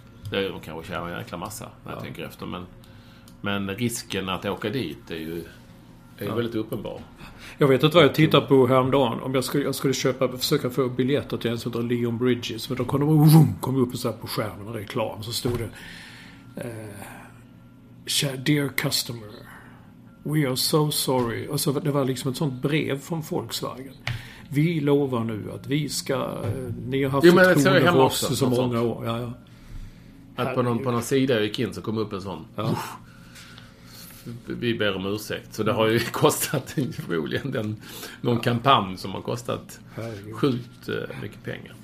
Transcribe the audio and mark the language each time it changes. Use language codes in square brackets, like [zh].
[sv] Det är de kanske tjänar en jäkla massa när jag tänker efter, men risken att åka dit är ju väldigt uppenbar. Jag vet inte vad jag tittar på häromdagen. Om jag skulle köpa, försöka få biljetter till en sån där Leon Bridges. Men då kom upp på skärmen och reklam. Så stod det [en] Dear customer, we are so sorry. [sv] Och så det var liksom ett sånt brev från Volkswagen. Vi lovar nu att vi ska... Ni har haft förtroende för oss också, så många sånt. År. Ja, ja. Att på någon sida jag gick in så kom upp en sån... Ja. Vi ber om ursäkt. Så det har ju kostat roligen någon kampanj som har kostat sjukt mycket pengar.